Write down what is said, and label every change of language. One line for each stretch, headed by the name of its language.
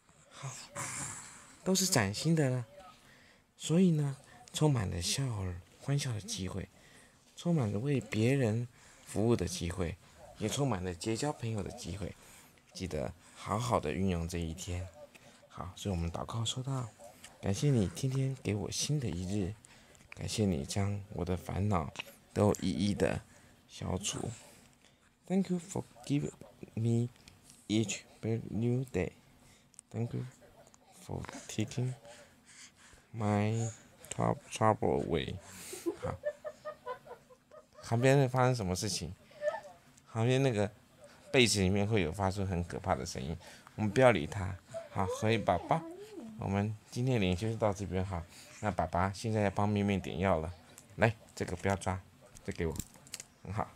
Chinese: 好，都是崭新的了，所以呢，充满了笑欢笑的机会，充满了为别人服务的机会。也充满了结交朋友的机会，记得好好的运用这一天。好，所以我们祷告说道：感谢你天天给我新的一日，感谢你将我的烦恼都一一的消除。
English: Thank you for giving me each new day. Thank you for taking my trouble away.
Chinese: 好，旁边发生什么事情？旁边那个被子里面会有发出很可怕的声音，我们不要理他。好，所以爸爸，我们今天灵修就到这边好。那爸爸现在要帮妹妹点药了，来，这个不要抓，这给我，很好。